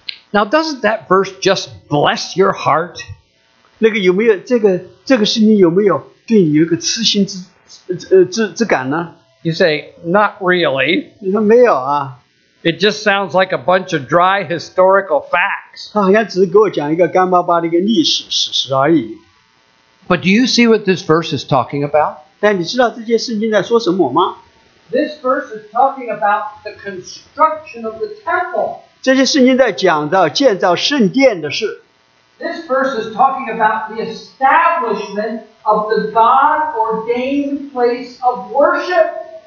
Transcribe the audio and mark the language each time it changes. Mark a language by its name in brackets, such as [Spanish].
[English] Now, doesn't that verse just bless your heart? [Chinese] 那个有没有这个事情有没有对你有一个痴心之感呢？ [English] You say, not really. [Chinese] 你说没有啊。 [English] It just sounds like a bunch of dry historical facts. [Chinese] 他好像只是给我讲一个干巴巴的一个历史史实而已。 [English] But do you see what this verse is talking about? [Chinese] 但你知道这些圣经在说什么吗？ [English] This verse is talking about the construction of the temple. [Chinese] 这些圣经在讲到建造圣殿的事。 [English] This verse is talking about the establishment of the God-ordained place of worship.